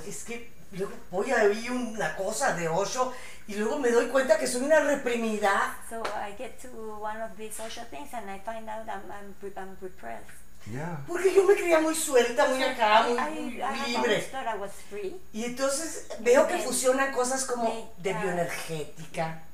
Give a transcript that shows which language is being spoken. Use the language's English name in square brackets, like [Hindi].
[Spanish] Es que luego voy a oír una cosa de Osho y luego me doy cuenta que soy una reprimida. [English] So I get to one of these Osho things and I find out I'm repressed. Yeah. [Spanish] Porque yo me creía muy suelta, muy acá, muy libre. [English] I was free. [Spanish] Y entonces veo que fusionan cosas como de bioenergética,